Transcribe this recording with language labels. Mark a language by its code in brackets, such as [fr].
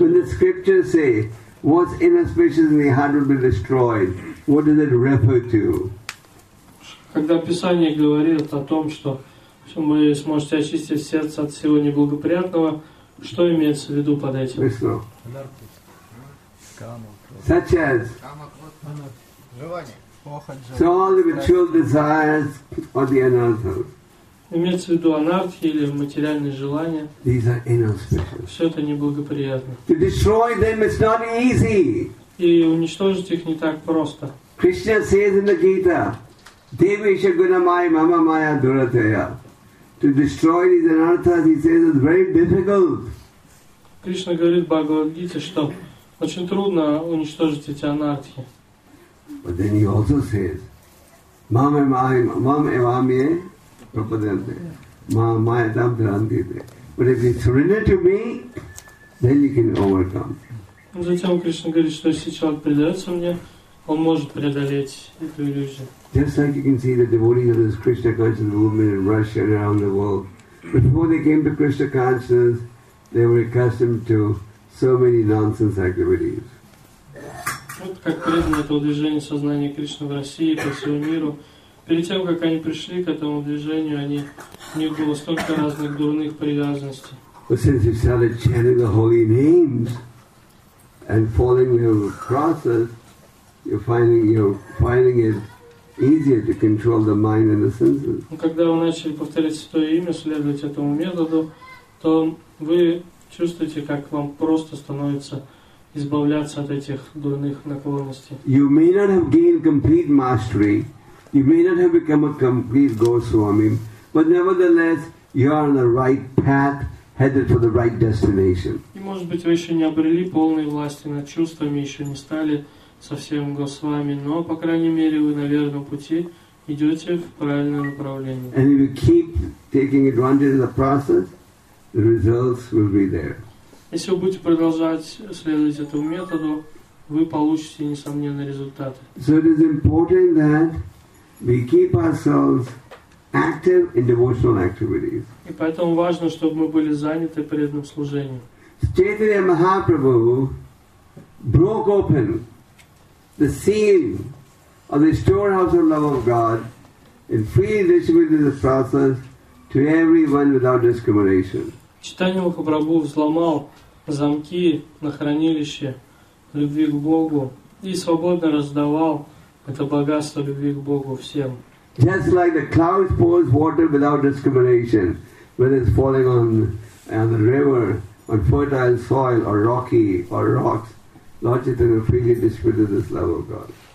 [en] When the scriptures say, what's inauspicious in the heart will be destroyed, what does it refer to? [ru] Когда Писание говорит о том, что вы сможете очистить сердце от всего неблагоприятного, что имеется в виду под этим? Вишну. [en] Such as? So all the mature desires or the anarthas. [ru] Имеется в виду анархии или материальные желания. [en] These are inauspicious. [ru] Все это неблагоприятно. [en] To destroy them is not easy. [ru] И уничтожить их не так просто. [en] Krishna says in the Gita, [sa] Devesha Gunamaya Mama Maya Durateya. [en] To destroy these anarthas, he says, is very difficult. [ru] Кришна говорит в Бхагавад-Гите, что очень трудно уничтожить эти анархии. [en] But then he also says, [sa] Mama Maya Mama Evamye. [en] But if you surrender to me, then you can overcome. [ru] Затем Кришна говорит, что если человек предается мне, он может преодолеть эту иллюзию. [en] Just like you can see the devotees of this Krishna consciousness movement in Russia and around the world. Before they came to Krishna consciousness, they were accustomed to so many nonsense activities. [ru] Вот как преданное этого движения сознания Кришны в России по всему миру. Перед тем, как они пришли к этому движению, они, у них было столько разных дурных привязанностей. [en] But since you started chanting the holy names and following your process, you're finding it easier to control the mind and the senses. [ru] Когда вы начали повторять святое имя, следовать этому методу, то вы чувствуете, как вам просто становится избавляться от этих дурных наклонностей. [en] You may not have gained complete mastery. You may not have become a complete Goswami, but nevertheless, you are on the right path, headed for the right destination. [ru] И может быть вы еще не обрели полной власти над чувствами, еще не стали совсем Госвами, но по крайней мере вы на верном пути идете в правильное направление. [en] And if you keep taking advantage of the process, the results will be there. [ru] Если вы будете продолжать следовать этому методу, вы получите несомненные результаты. [en] So it is important that we keep ourselves active in devotional activities. [ru] И поэтому важно, чтобы мы были заняты преданным служением. [en] Chaitanya Mahaprabhu broke open the seal of the storehouse of love of God and freely distributed the process to everyone without discrimination. [ru] Chaitanya Mahaprabhu взломал замки на хранилище любви к Богу и свободно раздавал это богатство любви к Богу всем. [en] Just like the cloud pours water without discrimination, whether it's falling on the river, on fertile soil, or rocky, or rocks, Lord Chaitanya freely distributed this love of God.